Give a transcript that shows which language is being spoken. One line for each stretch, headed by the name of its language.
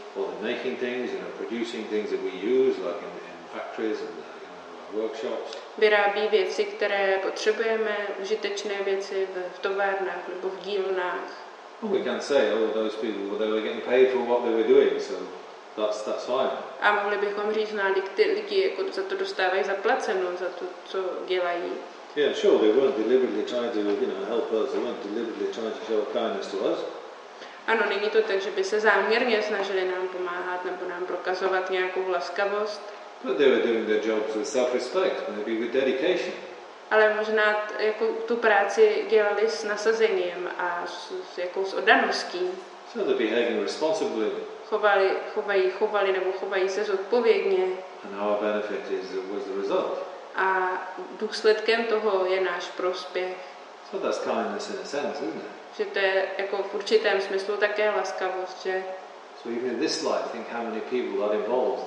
English: Or making things, producing things that we use, like in factories and workshops.
Czech: Vyrábí věci, které potřebujeme, užitečné věci v továrnách nebo v dílnách.
English: Well, we can say, those people, they were getting paid for what they were doing, so that's fine.
Czech: A mohli bychom říct, ty lidi jako za to dostávají zaplaceno, za to, co dělají.
English: Yeah, sure, they weren't deliberately trying to, help us, they weren't deliberately trying to show kindness to us.
Czech: Ano, není to tak, že by se záměrně snažili nám pomáhat nebo nám prokazovat nějakou laskavost.
English: But they were doing their jobs with self-respect, maybe with dedication.
Czech: Ale možná jako tu práci dělali s nasazením a s oddaností.
English: So they're behaving responsibly.
Czech: Chovají se zodpovědně.
English: And our benefit was the result.
Czech: A důsledkem toho je náš prospěch.
English: So that's kindness in a sense, isn't it?
Czech: Že to je jako v určitém smyslu také laskavost, že?
English: So even in this life, think how many people that involves.